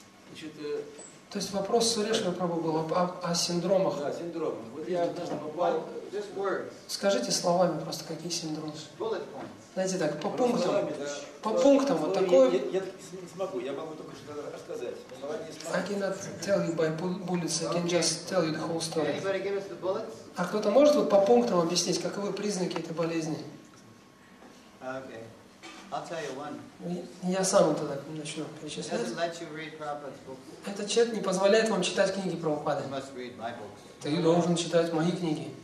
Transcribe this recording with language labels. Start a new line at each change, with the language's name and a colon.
Russian: Значит, то есть вопрос Сурешного Прабу был о синдромах. Да, синдромах. Вот я однажды попал...
English: Just words.
Russian: Скажите словами просто, какие синдромы.
English: Bullet points.
Russian: Знаете так, по пунктам. По пунктам вот такое. Я не смогу, я могу только что рассказать.
English: I cannot tell you by bullets, I can just tell you the whole story. Anybody give us the bullets?
Russian: А кто-то может вот по пунктам объяснить, каковы признаки этой болезни?
English: Okay. I'll tell you one.
Russian: Я сам вам тогда начну перечислять.
English: Doesn't let you read Prabhupada's books.
Russian: Этот человек не позволяет вам читать книги Прабхупады.
English: You must read my books.
Russian: Ты должен читать мои книги.